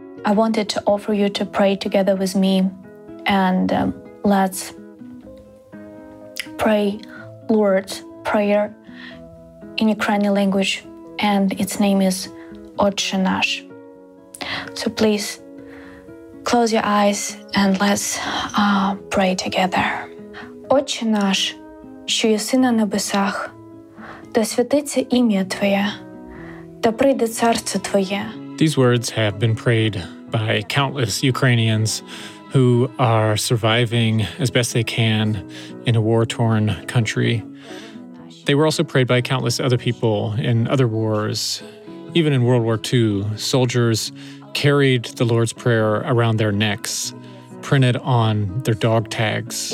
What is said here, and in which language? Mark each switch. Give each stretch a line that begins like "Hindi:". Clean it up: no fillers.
English: I wanted to offer you to pray together with me, and let's pray Lord's Prayer in Ukrainian language, and its name is Otče Nasz. So please close your eyes and let's pray together.
Ukrainian: Отче наш, що єси на небесах, да святиться ім'я Твоє, та прийде царство Твоє.
English: These words have been prayed by countless Ukrainians who are surviving as best they can in a war-torn country. They were also prayed by countless other people in other wars. Even in World War II, soldiers carried the Lord's Prayer around their necks, printed on their dog tags.